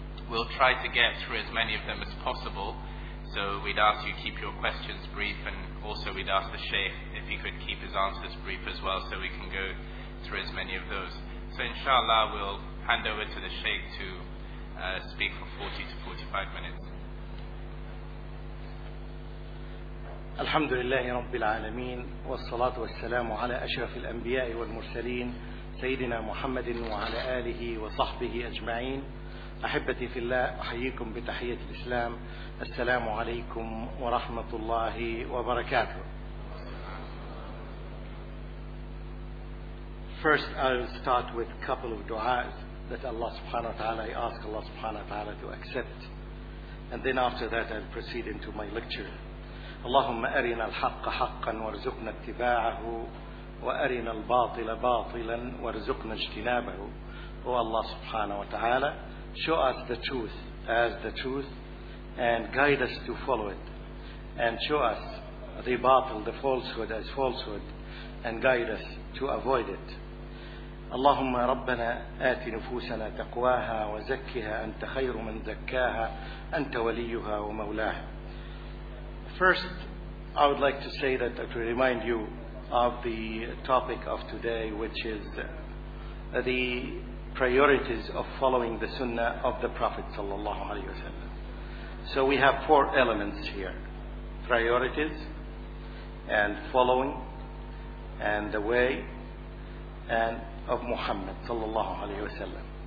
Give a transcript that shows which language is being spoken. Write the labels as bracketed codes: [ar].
[en] We'll try to get through as many of them as possible, so we'd ask you keep your questions brief, and also we'd ask the Sheikh if he could keep his answers brief as well, so we can go through as many of those. So inshallah, we'll hand over to the Sheikh to speak for 40 to 45 minutes. [ar] Alhamdulillahi Rabbil Alameen, wa salatu wa salamu ala ashrafil anbiya'i wal mursaleen, سيدنا محمد وعلى آله وصحبه أجمعين أحبتي في الله أحييكم بتحية الإسلام السلام عليكم ورحمة الله وبركاته. [en] First I'll start with a couple of du'as that Allah subhanahu wa ta'ala, I ask Allah subhanahu wa ta'ala to accept, and then after that I'll proceed into my lecture. [ar] اللهم أرنا الحق حقا وارزقنا اتباعه وأرنا الباطل باطلا وارزقنا اجتنابه. [en] O Allah subhanahu wa ta'ala, show us the truth as the truth and guide us to follow it, and show us the باطل, the falsehood, as falsehood, and guide us to avoid it. [ar] اللهم ربنا آت نفوسنا تقواها وزكها أنت خير من زكاها أنت وليها ومولاها. [en] First I would like to say that to remind you of the topic of today, which is the priorities of following the Sunnah of the Prophet sallallahu alaihi wasallam. So we have four elements here: priorities, and following, and the way, and of Muhammad sallallahu alaihi wasallam.